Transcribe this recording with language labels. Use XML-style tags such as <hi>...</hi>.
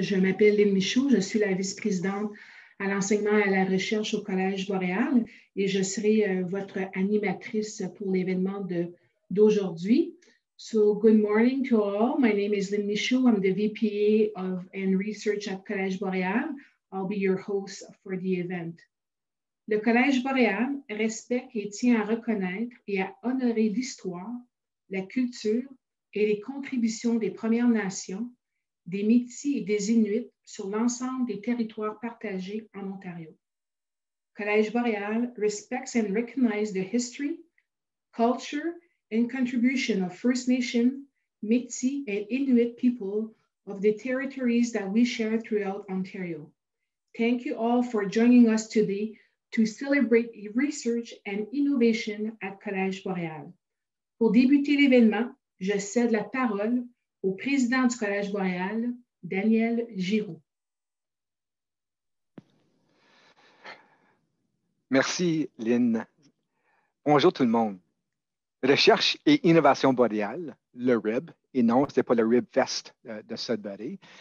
<fr>Je m'appelle Lynn Michaud, je suis la vice-présidente à l'enseignement et à la recherche au Collège Boréal et je serai votre animatrice pour l'événement d'aujourd'hui.</fr> <en>So good morning to all. My name is Lynn Michaud. I'm the VPA of and research at Collège Boréal. I'll be your host for the event.</en> <fr>Le Collège Boréal respecte et tient à reconnaître et à honorer l'histoire, la culture et les contributions des Premières Nations, des Métis et des Inuits sur l'ensemble des territoires partagés en Ontario.</fr> <en>Collège Boréal respects and recognizes the history, culture, and contribution of First Nation, Métis, and Inuit people of the territories that we share throughout Ontario. Thank you all for joining us today to celebrate research and innovation at Collège Boréal.</en> <fr>Pour débuter l'événement, je cède la parole au président du Collège Boréal, Daniel Giroux. Merci, Lynn. Bonjour tout le monde. Recherche et innovation boréale, le RIB, et non, ce n'est pas le RIB Fest de Sudbury.</fr>